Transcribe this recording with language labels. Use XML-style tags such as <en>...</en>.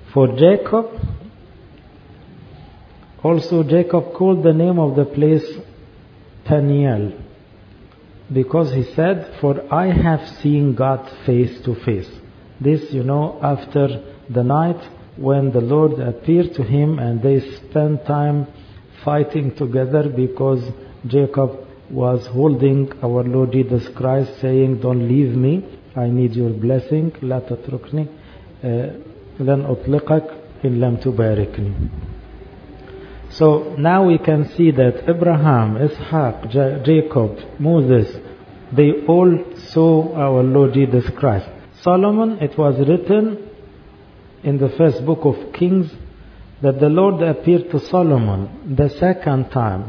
<en>For Jacob, also Jacob called the name of the place Peniel, because he said, "For I have seen God face to face." This, you know, after the night when the Lord appeared to him and they spent time fighting together because Jacob was holding our Lord Jesus Christ, saying, "Don't leave me, I need your blessing.</en> <ar>لا تتركني لن أطلقك إن لم تباركني."</ar> <en>So now we can see that Abraham, Ishaq, Jacob, Moses, they all saw our Lord Jesus Christ. Solomon, it was written in the first book of Kings that the Lord appeared to Solomon the second time.</en>